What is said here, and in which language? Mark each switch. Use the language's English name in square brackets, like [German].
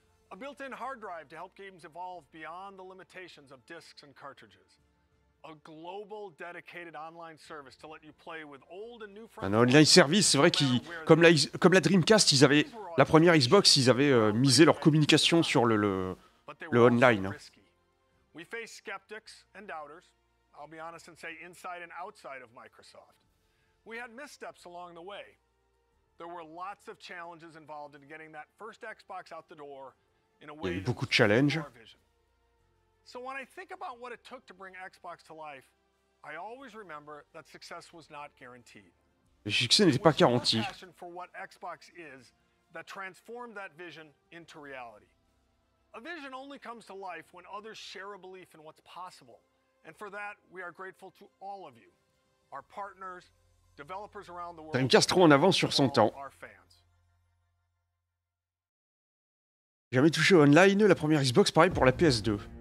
[English] A built-in hard drive to help games evolve beyond the limitations of discs and cartridges. A global dedicated online service to let you play with old and new friends. [French] Un online service, c'est vrai qu'ils, comme la Dreamcast, ils avaient la première Xbox, ils avaient misé leur communication sur le online. [English] We face skeptics and doubters. I'll be honest and say inside and outside of Microsoft. We had missteps along the way. There were lots of challenges involved in getting that first Xbox out the door. [French] Il y a eu beaucoup de challenges. [English] So when I think about what it took to bring Xbox to life, I always remember that success was not guaranteed. [French] Le succès n'était pas garanti. [English] For what Xbox is, that transformed that vision into reality. A vision only comes to life when others share a belief in what's possible. And for that, we are grateful to all of you, our partners, developers around the world. [French] Dreamcast trop en avance sur son temps. Jamais touché online, la première Xbox, pareil pour la PS2.